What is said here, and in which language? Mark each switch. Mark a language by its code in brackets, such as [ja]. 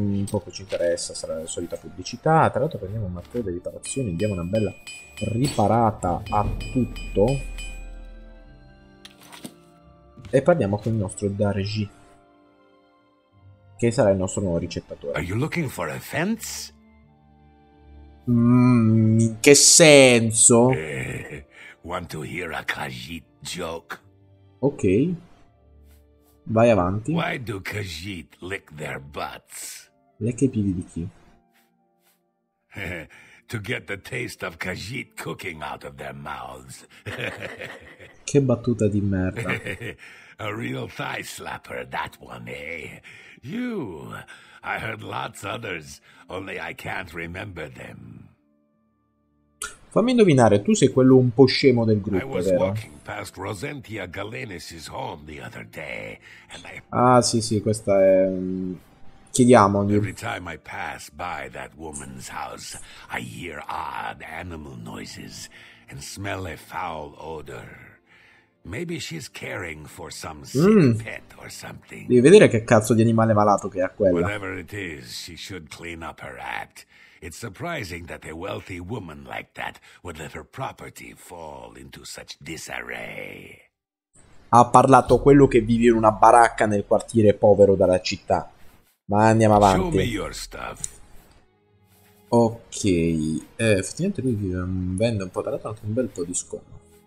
[it] Poco ci interessa, sarà la solita pubblicità. Tra l'altro prendiamo un martello di riparazione, diamo una bella riparata a tutto. E parliamo con il nostro Darji, che sarà il nostro nuovo ricettatore. [en] Are you looking for a fence? [it] In che senso? [en] Want to hear a Khajiit joke? [it] Ok. Vai avanti. [en] Why do Khajiit lick their butts? [it] Lecca i piedi di chi? [en] To get the taste of Khajiit cooking out of their mouths. [it] Che battuta di merda. [en] A real thigh slapper, that one, eh? You, I heard lots others, only I can't remember them. [it] Fammi indovinare, tu sei quello un po' scemo del gruppo, vero? [en] I was walking past Rosentia Galenis's home the other day, and I... [it] Ah, sì, questa è... Chiediamogli. [en] Every time I pass by that woman's house, I hear odd animal noises and smell a foul odor. Maybe she's caring for some sick pet or something. [it] Devi vedere che cazzo di animale malato che ha quella. [en] Whatever it is, she should clean up her act. It's surprising that a wealthy woman like that would let her property fall into such disarray. [it] Ha parlato quello che vive in una baracca nel quartiere povero della città. Ma andiamo avanti. [en] Show me your stuff. [it] Ok. Effettivamente lui vende un po', tra l'altro anche un bel po' di scopo.